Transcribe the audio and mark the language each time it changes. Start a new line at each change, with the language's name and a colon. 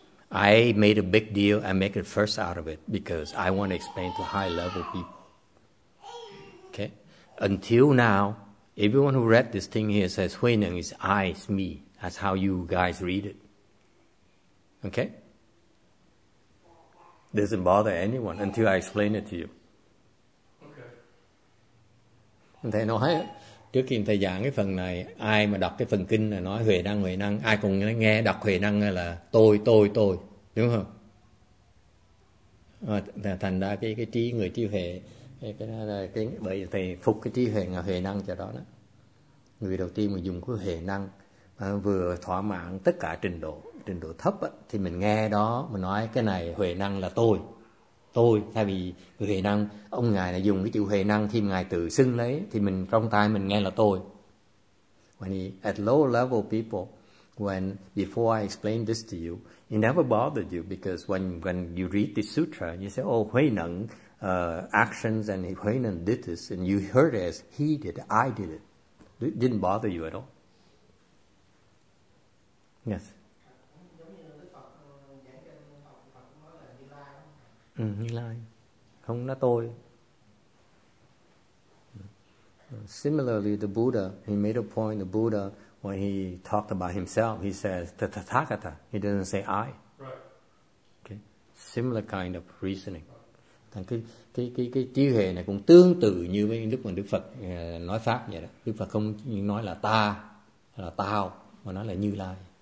English: I made a big deal, I make it first out of it because I want to explain to high level people. Okay? Until now, everyone who read this thing here says Huineng is I, it's me. That's how you guys read it. Okay? Doesn't bother anyone until I explain it to you. Okay.
Vietnamese: Thầy nói trước khi thầy giảng cái phần này, ai mà đọc cái phần kinh là nói Huệ Năng, ai cũng nghe đọc Huệ Năng là tôi, đúng không? Thành ra cái trí người trí huệ, cái bởi vì thầy phục cái trí huệ là Huệ Năng cho đó. Người đầu tiên mà dùng cái Huệ Năng vừa thỏa mãn tất cả trình độ thấp á, thì mình nghe đó mình nói cái này Huệ Năng là tôi, thay vì Huệ Năng ông ngài lại dùng cái chữ Huệ Năng thì ngài tự xưng lấy, thì mình trong tai mình nghe là tôi.
English: At low level people, when before I explain this to you, it never bothered you, because when you read the sutra you say, oh, Huệ Năng actions and Huệ Năng did this, and you heard as he did, I did it, it didn't bother you at all. Yes.
Vietnamese: Như Lai, không nói tôi.
English: Similarly, the Buddha, he made a point, the Buddha, when he talked about himself, he says, Tathagata, he doesn't say I. Right. Okay. Similar kind of reasoning.
Vietnamese: Thành cái trí huệ này cũng tương tự như với lúc mà Đức Phật nói Pháp vậy đó. Đức Phật không nói là ta, là tao, mà nói là Như Lai.